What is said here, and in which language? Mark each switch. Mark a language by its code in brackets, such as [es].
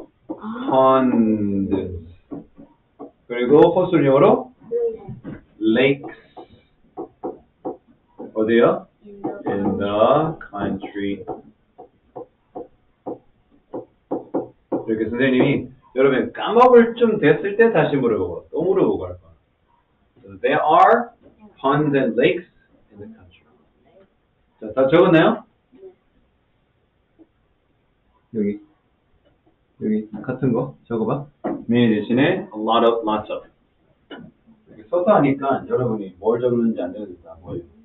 [ko] Ponds. 그리고 호수 영어로? Lakes. 어디요? [en] In the country. [ko] 이렇게 선생님이 여러분 까먹을 좀 됐을 때 다시 물어보고 또 물어보고 할 거야. [en] So there are ponds and lakes in the country. [ko] 자, 다 적었나요? 여기 여기 같은 거 적어봐. 메인 대신에 [en] a lot of, lots of. [ko] 이렇게 써서 하니까 여러분이 뭘 적는지 안 되는지 다 보여요.